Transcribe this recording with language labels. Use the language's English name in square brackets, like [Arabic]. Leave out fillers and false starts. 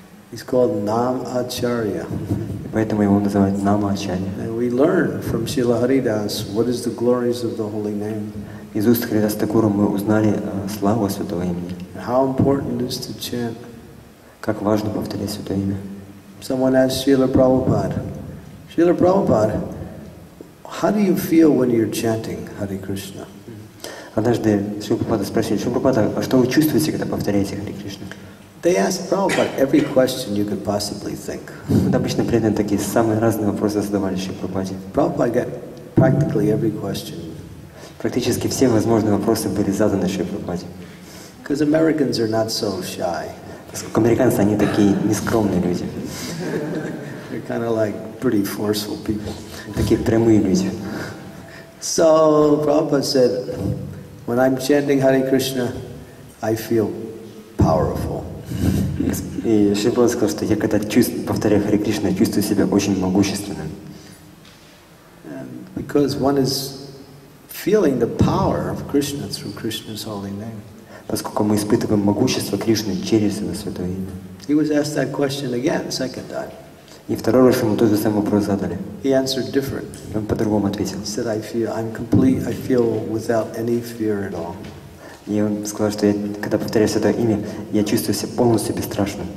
[English] He's called Nam Acharya. [Russian] И поэтому его называют Нам Ачарья. [English] And we learn from Srila Haridas what is the glories of the holy name. [Russian] Из уст Харидас Такура мы узнали славу святого имени. [English] How important is to chant. [Russian] Как важно повторять святое имя. [English] Someone asked Srila Prabhupada, Srila Prabhupada, how do you feel when you're chanting Hare Krishna? [Russian] Однажды Шрила Прабхупада спросили, Шрила Прабхупада, а что вы чувствуете, когда повторяете Хари Кришна? [English] They ask Prabhupada every question you could possibly think. [Russian] Обычно преданные такие самые разные вопросы задавали Шрила Прабхупаде. [English] Prabhupada got practically every question. [Russian] Практически все возможные вопросы были заданы Шрила Прабхупаде. [English] Because Americans are not so shy. [Russian] Поскольку американцы, они такие нескромные люди. [English] They're kind of like pretty forceful people. [Russian] Такие прямые люди. [English] So Prabhupada said, when I'm chanting Hare Krishna, I feel powerful. [Russian] И Шрила Прабхупада сказал, что я когда повторяю Хари Кришна, чувствую себя очень могущественным. [English] Because one is feeling the power of Krishna through Krishna's holy name. [Russian] поскольку мы испытываем могущество Кришны через его святое имя. [English] He was asked that question again, second time. [Russian] И второй раз ему тот же самый вопрос задали. [English] He answered different. [Russian] Он по-другому ответил. [English] He said, I'm complete, I feel without any fear at all. [Russian] И он сказал, что когда повторяю святое имя, я чувствую себя полностью бесстрашным.